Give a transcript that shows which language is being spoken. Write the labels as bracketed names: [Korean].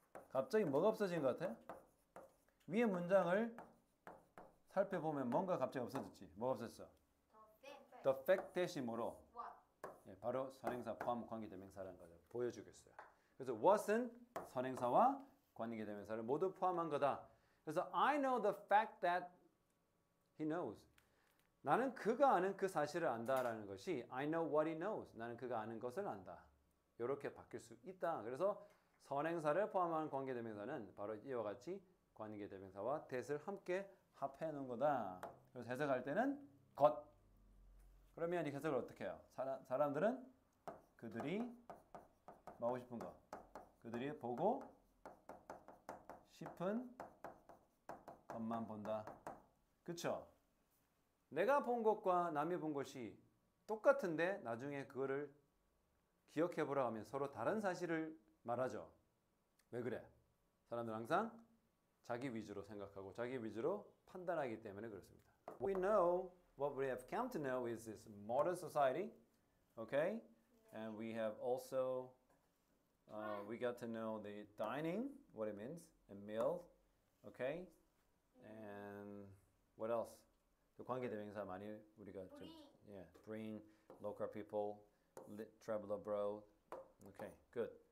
[Korean] 갑자기 뭐가 없어진 것 같아? 위에 문장을 살펴보면 뭔가 갑자기 없어졌지. 뭐가 없어졌어? [English] The fact. The fact [Korean] 대신으로. [English] What? [Korean] 예, 바로 선행사 포함 관계대명사라는 것을 보여주겠어요. 그래서 what은 선행사와 관계대명사를 모두 포함한 거다. 그래서 [English] I know the fact that he knows. [Korean] 나는 그가 아는 그 사실을 안다라는 것이 [English] I know what he knows. [Korean] 나는 그가 아는 것을 안다. 이렇게 바뀔 수 있다. 그래서 선행사를 포함한 관계대명사는 바로 이와 같이 관계대명사와 that을 함께 합해 놓은 거다. 그래서 해석할 때는 것. 그러면 이 해석을 어떻게 해요? 사람들은 그들이 보고 싶은 거. 그들이 보고 싶은 것만 본다. 그렇죠? 내가 본 것과 남이 본 것이 똑같은데 나중에 그거를 기억해보라 하면 서로 다른 사실을 말하죠. 왜 그래? 사람들은 항상 자기 위주로 생각하고 자기 위주로 판단하기 때문에 그렇습니다. [English] We know what we have come to know is this modern society. Okay? And we have also we got to know the dining, what it means, and meal. Okay? And what else? [Korean] 관계대명사 많이 우리가 좀 [English] yeah, bring local people, travel abroad. Okay, good.